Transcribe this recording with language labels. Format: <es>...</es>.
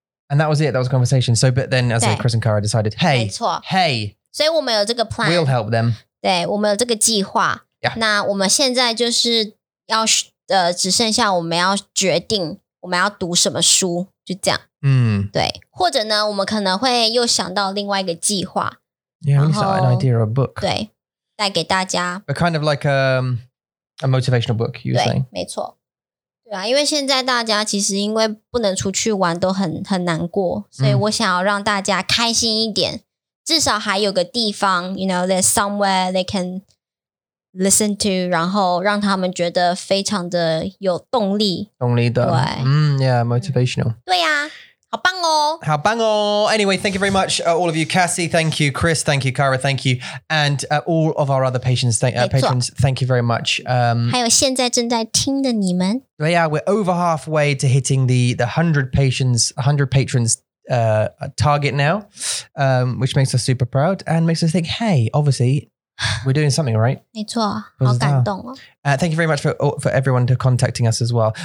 <en>And that was it, that was a conversation. So, but then as Chris and Cara decided, hey,</en> <zh>所以我们有这个 plan.</zh> <en>We'll help them.</en> <zh>对，我们有这个计划。</zh> <en>Yeah.</en> <zh>那我们现在就是要只剩下我们要决定我们要读什么书就这样对或者呢我们可能会又想到另外一个计划</zh> <en>Yeah, at least an idea of a book</en> <zh>对带给大家</zh> <en>But kind of like a motivational book you were saying</en> <zh>对没错对啊因为现在大家其实因为不能出去玩都很难过所以我想要让大家开心一点至少还有个地方</zh> <en>You know, there's somewhere they canListen to,</en> <zh>然后让他们觉得非常的有动力。动力的。对。</zh> <en>Yeah, motivational.</en> <zh>对啊。好棒哦。好棒哦。</zh> <en>Anyway, thank you very much, all of you. Cassie, thank you. Chris, thank you. Cara, thank you. And all of our other patrons, thank you very much.</en> <zh>还有现在正在听的你们。对啊,</zh> <en>we're over halfway to hitting the 100 patients, 100 patrons,target now, which makes us super proud and makes us think, hey, obviously,We're doing something, right?</en> <zh>没错，好感动哦。</zh> <en>Thank you very much for everyone to contacting us as well.</en>